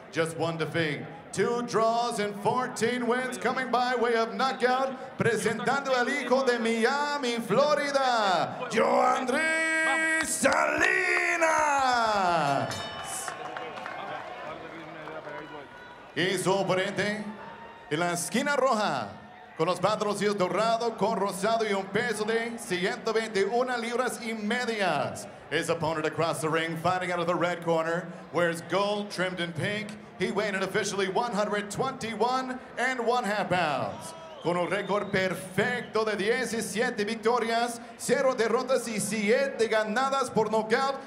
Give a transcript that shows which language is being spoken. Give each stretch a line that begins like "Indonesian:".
English: Just 1 defeat, 2 draws and 14 wins coming by way of knockout.
Spanish: Presentando el hijo de Miami, Florida, Joandry Salinas. Y su oponente en la esquina roja, con los patrocinios dorado, con rosado y un peso de 121 libras y medias.
English: His opponent across the ring, fighting out of the red corner, wears gold trimmed in pink. He weighed in officially 121 and 1/2 pounds.
Spanish: con un récord perfecto de 17 victorias, 0 derrotas y 7 ganadas por nocaut.